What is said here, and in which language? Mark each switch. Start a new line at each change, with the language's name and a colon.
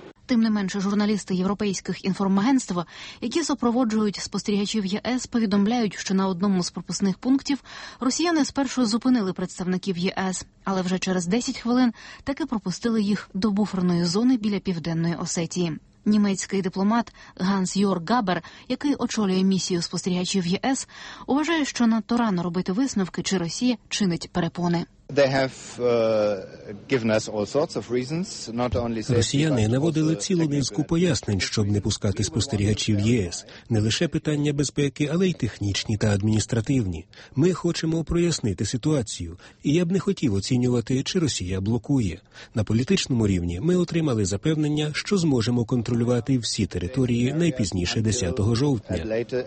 Ukrainian: Тим не менше, журналісти європейських інформагентств, які супроводжують спостерігачів ЄС, повідомляють, що на одному з пропускних пунктів росіяни спершу зупинили представників ЄС, але вже через 10 хвилин таки пропустили їх до буферної зони біля Південної Осетії. Німецький дипломат Ганс-Йорг Габер, який очолює місію спостерігачів ЄС, вважає, що надто рано робити висновки, чи Росія чинить перепони.
English: They have given us all sorts of reasons, not only safety,
Ukrainian: росіяни наводили цілу низку пояснень, щоб не пускати спостерігачів ЄС. Не лише питання безпеки, але й технічні та адміністративні. Ми хочемо прояснити ситуацію, і я б не хотів оцінювати, чи Росія блокує. На політичному рівні ми отримали запевнення, що зможемо контролювати всі території найпізніше 10 жовтня.